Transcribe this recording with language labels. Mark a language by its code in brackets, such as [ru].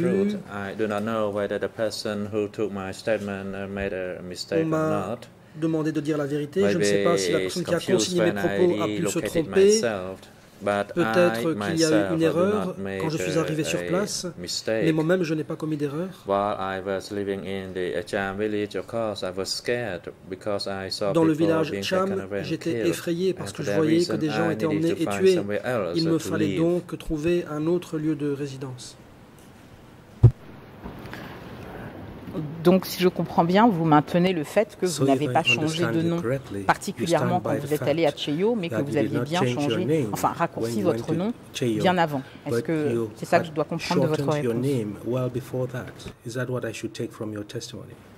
[en] truth, I do not know whether the person who took my statement made a mistake or not. [fr] Demander de dire la vérité. [en] Maybe [fr] je ne sais pas si la personne qui a consigné mes propos a pu se tromper. Peut-être qu'il y a eu une erreur quand je suis arrivé sur place, [en] mistake. [fr] Mais moi-même, je n'ai pas commis d'erreur. Dans le village Cham, j'étais effrayé parce que je voyais que des gens étaient emmenés et tués. Il me fallait donc trouver un autre lieu de résidence. Donc, si je comprends bien, vous maintenez le fait que vous n'avez pas changé de nom, particulièrement quand vous êtes allé à Cheyou, mais que vous aviez bien changé, enfin raccourci votre nom Cheyou, bien avant. Est-ce que c'est ça que je dois comprendre de votre réponse? [en] Your name well before that. Is that what I should take from your testimony?